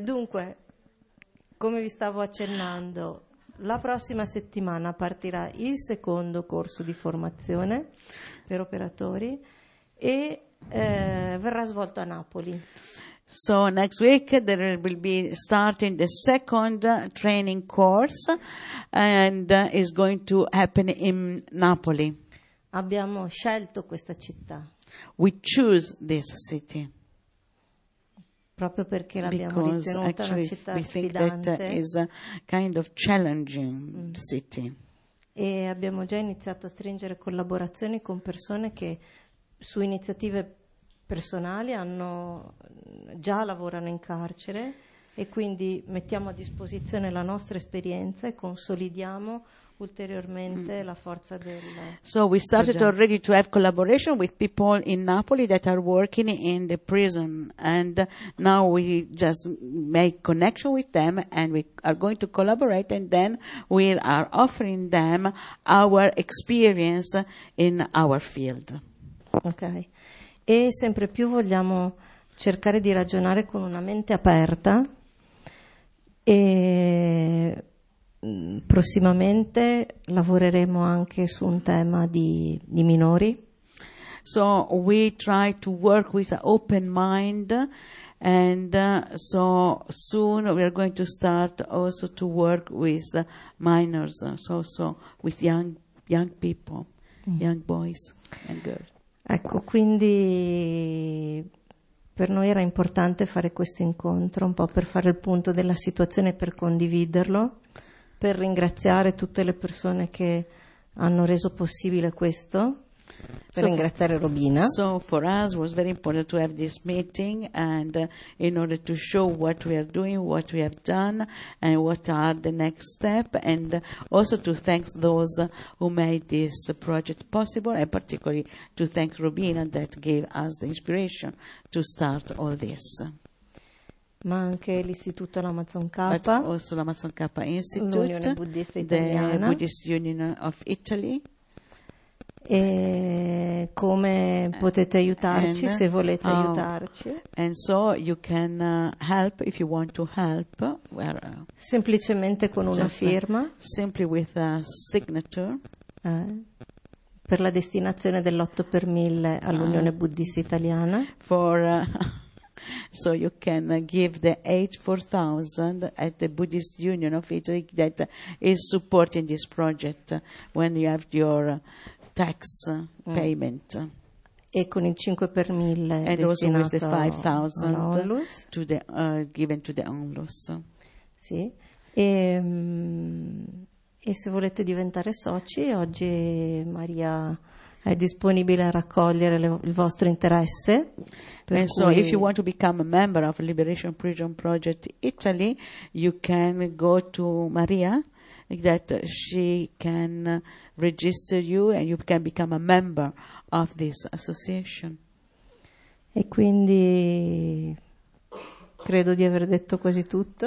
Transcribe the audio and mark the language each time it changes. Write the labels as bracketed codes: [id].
[it] Dunque, come vi stavo accennando, la prossima settimana partirà il secondo corso di formazione per operatori e verrà svolto a Napoli. [en] So next week there will be starting the second training course and is going to happen in Napoli. [it] Abbiamo scelto questa città. [en] We choose this city. [it] Proprio perché l'abbiamo ritenuta una città sfidante. [en] Is a kind of challenging city. [it] E abbiamo già iniziato a stringere collaborazioni con persone che su iniziative personali hanno già lavorano in carcere e quindi mettiamo a disposizione la nostra esperienza e consolidiamo ulteriormente la forza del [en] So we started [it] progetto. [en] Already to have collaboration with people in Napoli that are working in the prison and now we just make connection with them and we are going to collaborate and then we are offering them our experience in our field. Okay. [it] E sempre più vogliamo cercare di ragionare con una mente aperta e prossimamente lavoreremo anche su un tema di minori. [en] So we try to work with an open mind and so soon we are going to start also to work with minors, so with young people, young boys and girls. [it] Ecco, quindi per noi era importante fare questo incontro un po' per fare il punto della situazione e per condividerlo. Per ringraziare tutte le persone che hanno reso possibile questo, per ringraziare Robina. [en] So for us was very important to have this meeting and in order to show what we are doing, what we have done and what are the next step and also to thank those who made this project possible and particularly to thank Robina that gave us the inspiration to start all this. [it] Ma anche l'Istituto Lamazon K, [en] l'Amazon K Institute, [it] l'Unione Buddista Italiana, [en] the Buddhist Union of Italy. [it] E come potete aiutarci se volete aiutarci? [en] And so you can help if you want to help. Where, [it] semplicemente con una firma. [en] Simply with a signature. [it] per la destinazione dell'8 per 1000 all'Unione Buddhista Italiana. [en] For so you can give the 84,000 at the Buddhist Union of Italy that is supporting this project when you have your tax payment. [it] E con il 5 per 1000 destinato [en] all'ONLUS. The, given to the ONLUS. [it] Sì. E se volete diventare soci, oggi Maria è disponibile a raccogliere il vostro interesse. [en] Per and cui... so if you want to become a member of Liberation Prison Project Italy, you can go to Maria, that she can register you and you can become a member of this association. [it] E quindi credo di aver detto quasi tutto.